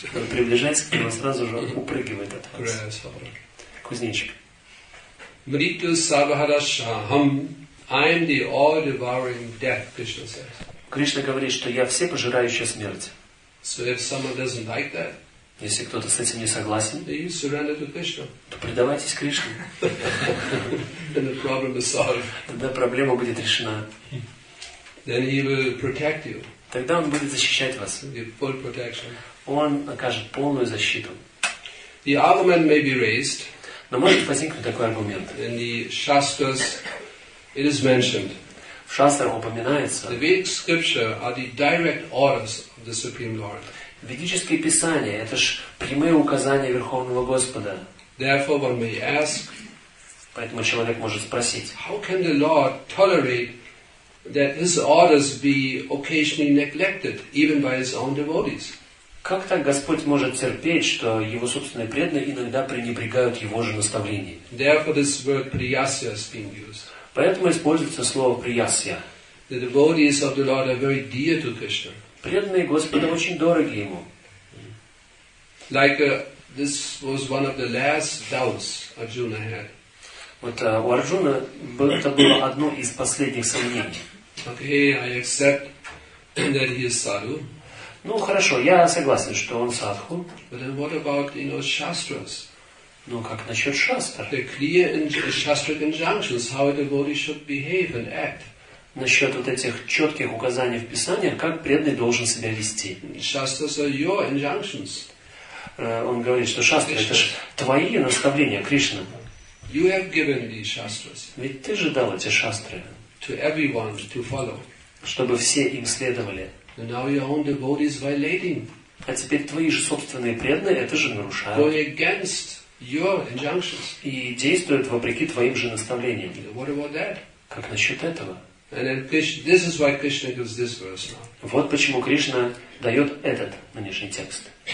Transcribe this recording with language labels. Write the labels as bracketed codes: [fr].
[ru] Приближается к нему, сразу же упрыгивает от вас. Кузнечик. [sa] Мриту сарвахарашахам. [en] I am the all-devouring death, Krishna says. [ru] Кришна говорит, что я всепожирающая смерть. [en] So if someone doesn't like that, [ru] если кто-то с этим не согласен, [en] then you surrender to Krishna. [ru] То предавайтесь Кришне. [en] Then the problem is solved. [ru] Тогда проблема будет решена. [en] Then he will protect you. [ru] Тогда он будет защищать вас. [en] Full protection. [ru] Он окажет полную защиту. [en] The argument may be raised. [ru] Но может возникнуть такой аргумент. [en] In the shastras, it is mentioned. [ru] В шастрах упоминается. [en] The Vedic scripture are the direct orders of the Supreme Lord. [ru] Ведические писания это ж прямые указания Верховного Господа. [en] Therefore, one may ask. [ru] Поэтому человек может спросить. [en] How can the Lord tolerate that His orders be occasionally neglected, even by His own devotees? [ru] Как так Господь может терпеть, что Его собственные преданные иногда пренебрегают Его же наставлениями? [en] Therefore, this word priyasya is being used. [ru] Поэтому используется слово приясья. [en] The devotees of the Lord are very dear to Krishna. [ru] Преданные Господа очень дороги Ему. [en] Like this was one of the last doubts Arjuna had. [ru] Вот у Арджуны это было одно из последних сомнений. [en] Okay, I accept that he is sadhu. [ru] Ну, хорошо, я согласен, что он садху. [en] But then what about, you know, shastras? [ru] Ну, как насчет шастр? [en] The clear shastric injunctions, how a devotee should behave and act. [ru] Насчет вот этих четких указаний в Писаниях, как преданный должен себя вести. [en] Shastras are your injunctions. [ru] Он говорит, что шастры, это же твои наставления, Кришна. [en] You have given these shastras. [ru] Ведь ты же дал эти шастры. [en] To everyone to follow. [ru] Чтобы все им следовали. [en] Now your own devotees violating. [ru] А теперь твои же собственные преданные это же нарушают. [en] Going against your injunctions. [ru] И действуют вопреки твоим же наставлениям. [en] What about that? [ru] Как насчет этого? [en] And then Krishna, this is why Krishna gives this verse now. [ru] Вот почему Кришна дает этот нынешний текст.